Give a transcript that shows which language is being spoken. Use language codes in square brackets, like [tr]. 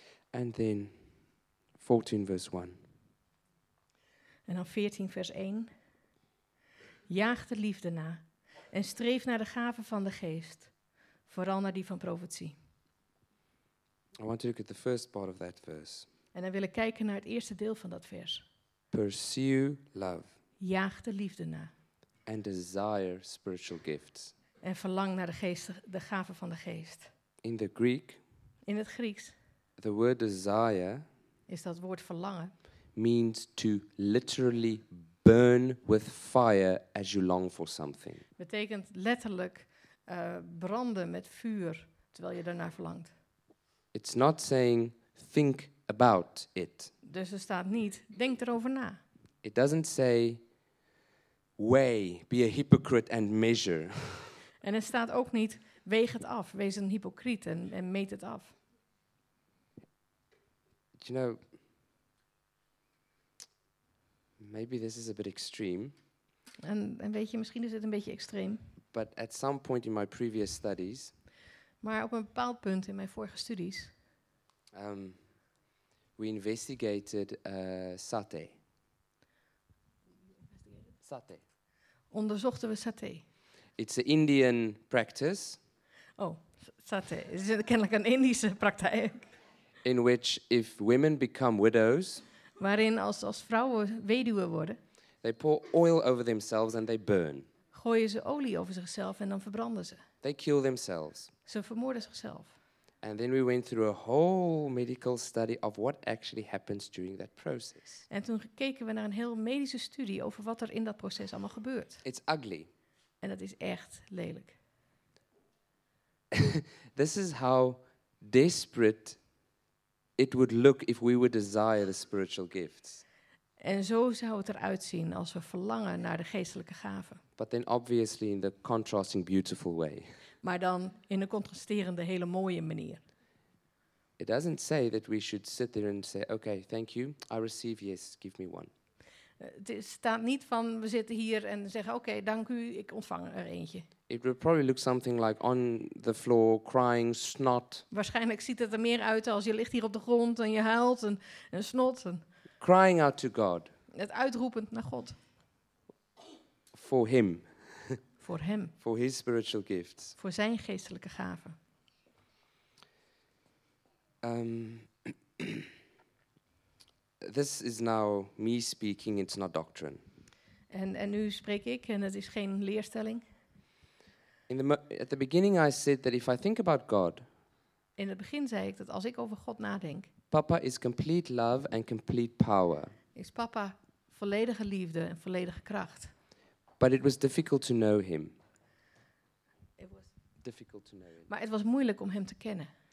[nl] En dan 14 vers 1. En dan 14 vers 1. Jaag de liefde na en streef naar de gaven van de geest. Vooral naar die van profetie. [en] I want to look at the first part of that verse. [nl] En dan wil ik kijken naar het eerste deel van dat vers. [en] Pursue love. [nl] Jaag de liefde na. [en] And desire spiritual gifts. [nl] En verlang naar de gaven van de geest. [en] In the Greek. [nl] In het Grieks. [en] The word desire. [nl] Is dat woord verlangen. [en] Means to literally burn with fire as you long for something. [nl] Betekent letterlijk branden met vuur terwijl je daarnaar verlangt. [en] It's not saying think about it. [nl] Dus er staat niet, denk erover na. [en] It doesn't say, weigh, be a hypocrite and measure. [nl] En er staat ook niet, weeg het af, wees een hypocriet en meet het af. [en] You know, maybe this is a bit extreme. [nl] En weet je, misschien is het een beetje extreem. [en] But at some point in my previous studies. [nl] Maar op een bepaald punt in mijn vorige studies. [en] We investigated saté. [nl] Saté. Onderzochten we saté. [en] It's an Indian practice. [nl] Oh, saté. Is het kennelijk een Indische praktijk? [en] In which if women become widows. [nl] Waarin als vrouwen weduwe worden. [en] They pour oil over themselves and they burn. [nl] Gooien ze olie over zichzelf en dan verbranden ze. [en] They kill themselves. [nl] Ze vermoorden zichzelf. [en] And then we went through a whole medical study of what actually happens during that process. [nl] En toen keken we naar een heel medische studie over wat er in dat proces allemaal gebeurt. [en] It's ugly. [nl] En dat is echt lelijk. [en] This is how desperate it would look if we would desire the spiritual gifts. [nl] En zo zou het eruit zien als we verlangen naar de geestelijke gaven. [en] But then obviously in the contrasting beautiful way. [nl] Maar dan in een contrasterende, hele mooie manier. [en] It doesn't say that we should sit there and say, okay, thank you, I receive, yes, give me one. [nl] Het staat niet van, we zitten hier en zeggen, okay, dank u, ik ontvang er eentje. [en] It would probably look something like on the floor, crying, snot. [nl] Waarschijnlijk ziet het er meer uit als je ligt hier op de grond en je huilt en snot. En [en] crying out to God. [nl] Het uitroepend naar God. [en] For him. [nl] Voor hem. [en] For his spiritual gifts. [nl] Voor zijn geestelijke gaven. [en] This is now me speaking, it's not doctrine. [nl] En nu spreek ik en het is geen leerstelling. [en] At the beginning I said that if I think about God. [nl] In het begin zei ik dat als ik over God nadenk. [en] Papa is complete love and complete power. [nl] Is papa volledige liefde en volledige kracht. [en] But it was difficult to know him. It was difficult to know him. [nl] Maar het was moeilijk om hem te kennen.